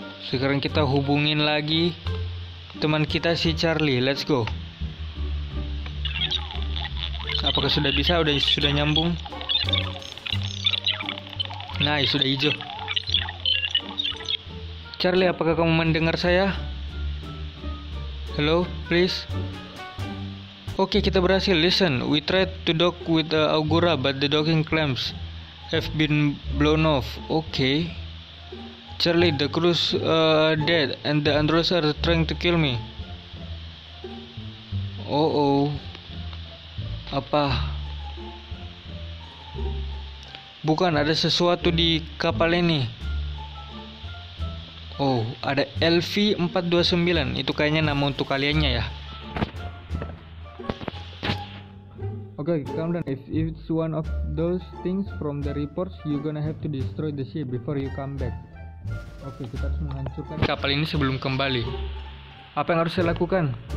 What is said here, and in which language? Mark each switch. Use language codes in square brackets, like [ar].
[id] Sekarang kita hubungin lagi teman kita si Charlie. [en] Let's go. [id] Apakah sudah bisa? Sudah nyambung? Nah, sudah hijau. Charlie, apakah kamu mendengar saya? [en] Hello, please. [id] Oke, kita berhasil. [en] Listen, we tried to dock with Augura, but the docking clamps have been blown off. Okay. Charlie, the crew's dead and the androids are trying to kill me. [id] Oh. Apa? Bukan, ada sesuatu di kapal ini. Oh, ada LV-429. Itu kayaknya nama untuk kaliannya ya. [en] Okay, calm down. If it's one of those things from the reports, you're gonna have to destroy the ship before you come back. [id] Oke, kita harus menghancurkan kapal ini sebelum kembali. Apa yang harus saya lakukan?